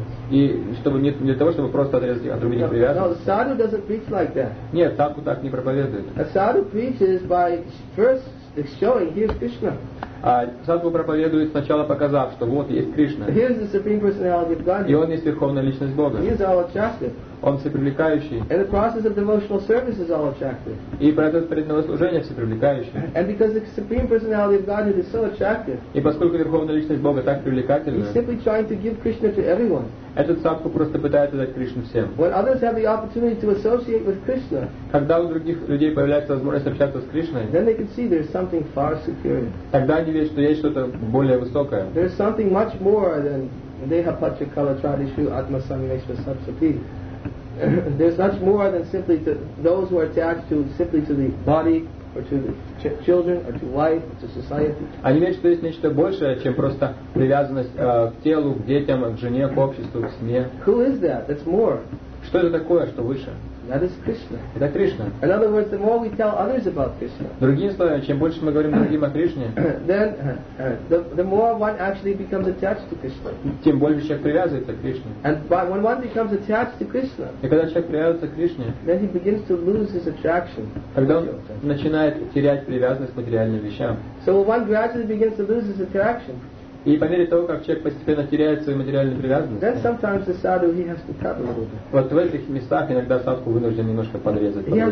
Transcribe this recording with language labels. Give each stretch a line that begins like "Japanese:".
Russian: И чтобы не для того, чтобы просто отрезать от других привязанности.
English: No, sadhu doesn't preach like that.
Russian: Нет, садху так не проповедует.
English: A sadhu preaches by first showing here's Krishna.
Russian: А садху проповедует сначала, показав, что вот есть Кришна.
English: Here's the supreme personality of God.
Russian: И он есть верховная личность Бога.
English: He is all attractive.
Russian: Он всепривлекающий.
English: And the process of devotional service is all attractive.
Russian: И процесс преданного служения всепривлекающий.
English: And because the supreme personality of God is so attractive.
Russian: И поскольку верховная личность Бога так привлекательна.
English: He's simply trying to give Krishna to everyone.
Russian: Этот садху просто пытается дать Кришну всем.
English: When others have the opportunity to associate with Krishna.
Russian: Когда у других людей появляется возможность общаться с Кришной.
English: Then they can see there's something far superior.
Russian: Тогда они видят, что есть что-то более высокое.
English: There's something much more than
Sanskrit: deha pacha kala tradishu atma sannivesha sapsati.
English: There's much more than simply to those who are attached to simply to the body or to the children or to wife or to society.
Russian: Они видят, что есть нечто большее, чем просто привязанность к телу, к детям, к жене, к обществу, к семье.
English: Who is that? That's more.
Russian: Что это такое, что выше?
English: That is Krishna.
Russian: Это Кришна.
English: In other words, the more we tell others about Krishna.
Russian: Другими словами, чем больше мы говорим другим о Кришне,
English: then the more one actually becomes attached to Krishna.
Russian: Тем больше человек привязывается к Кришне.
English: And when one becomes attached to Krishna.
Russian: И когда человек привязывается к Кришне,
English: then he begins to lose his attraction.
Russian: Тогда он начинает терять привязанность к материальным вещам.
English: So one gradually begins to lose his attraction.
Russian: И по мере того, как человек постепенно теряет свою материальную привязанность,
English: the sadhu, he has to cut a little bit.
Russian: Вот в этих местах иногда садху вынужден немножко подрезать.